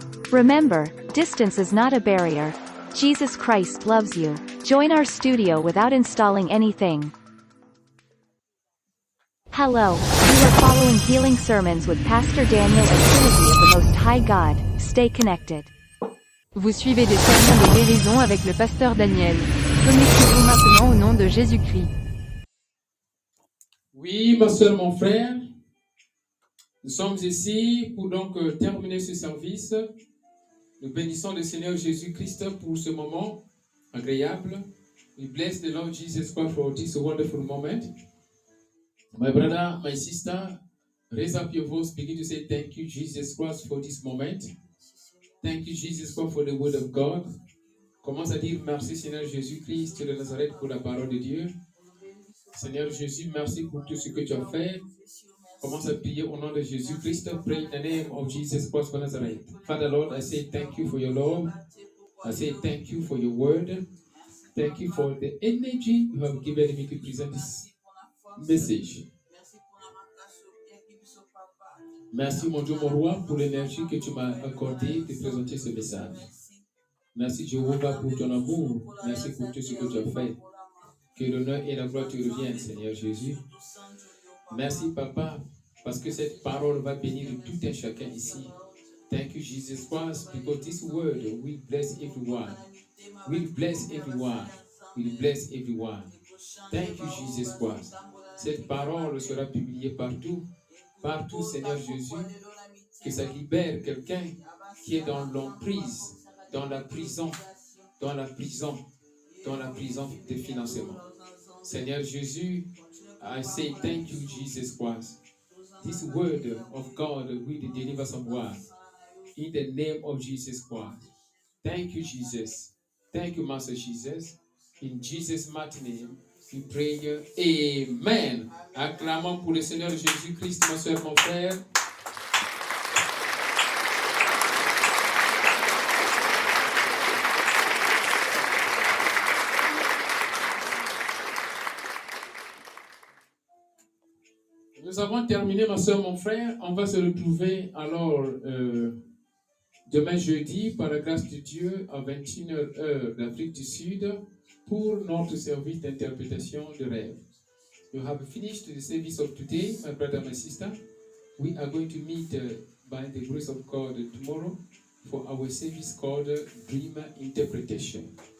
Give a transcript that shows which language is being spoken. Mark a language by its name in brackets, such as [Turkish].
[English] Remember, distance is not a barrier. Jesus Christ loves you. Join our studio without installing anything. Hello, you are following Healing Sermons with Pastor Daniel and Trinity of the Most High God. Stay connected. [French] Vous suivez des sermons de guérison avec le pasteur Daniel. Connectez-vous maintenant au nom de Jésus-Christ. Oui, ma soeur, mon frère, nous sommes ici pour donc terminer ce service. Nous bénissons le Seigneur Jésus-Christ pour ce moment agréable. [English] We bless the Lord Jesus Christ for this wonderful moment. My brother, my sister, raise up your voice, begin to say thank you, Jesus Christ, for this moment. Thank you, Jesus Christ, for the word of God. [French] Commence à dire merci, Seigneur Jésus-Christ de Nazareth, pour la parole de Dieu. Seigneur Jésus, merci pour tout ce que tu as fait. Commence à prier au nom de Jésus-Christ. [English] Pray in the name of Jesus Christ for Nazareth. Father Lord, I say thank you for your love. I say thank you for your word. Thank you for the energy you have given me to present this message. [French] Merci mon Dieu, mon roi, pour l'énergie que tu m'as accordée de présenter ce message. Merci Jéhovah pour ton amour. Merci pour tout ce que tu as fait. Que l'honneur et la gloire te reviennent, Seigneur Jésus. Merci Papa, parce que cette parole va bénir tout un chacun ici. [English] Thank you Jesus Christ, because this word will bless everyone. Will bless everyone. Will bless everyone. Thank you Jesus Christ. [French] Cette parole sera publiée partout. Partout, Seigneur Jésus, que ça libère quelqu'un qui est dans l'emprise, dans la prison, dans la prison, dans la prison des financements. Seigneur Jésus, [English] I say thank you, Jesus Christ. This word of God will deliver someone in the name of Jesus Christ. Thank you, Jesus. Thank you, Master Jesus. In Jesus' mighty name. We pray. Amen. [French] Acclamons pour le Seigneur Jésus-Christ, ma soeur, mon frère. Nous avons terminé, ma soeur, mon frère. On va se retrouver alors demain jeudi, par la grâce de Dieu, à 21h d'Afrique du Sud. Pour notre service d'interprétation de rêve. [English] You have finished the service of today, my brother, my sister. We are going to meet by the grace of God tomorrow for our service called Dream Interpretation.